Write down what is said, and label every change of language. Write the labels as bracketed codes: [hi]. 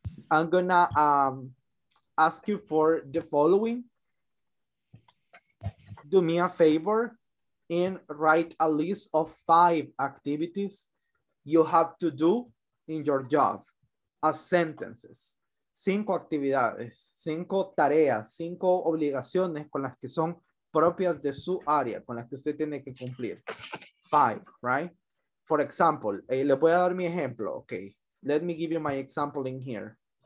[en] I'm going to ask you for the following. Do me a favor and write a list of 5 activities you have to do in your job as sentences. [es] 5 actividades, 5 tareas, 5 obligaciones con las que son propias de su área, con las que usted tiene que cumplir. 5, [en] right? For example, [es] le voy a dar mi ejemplo. [en] Okay, let me give you my example in here.